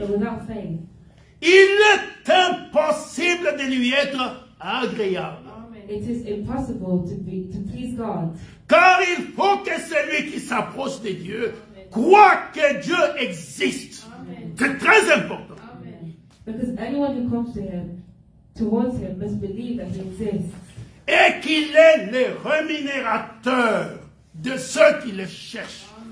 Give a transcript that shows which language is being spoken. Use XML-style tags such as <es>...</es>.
<en>But without faith.</en> <fr>Il est impossible de lui être agréable.</fr> <en>It is impossible to please God.</en> <fr>Car il faut que celui qui s'approche de Dieu croit que Dieu existe. Amen. C'est très important. Amen.</fr> <en>Because anyone who comes to him, towards him, must believe that he exists.</en> <fr>Et qu'il est le rémunérateur de ceux qui le cherchent.</fr>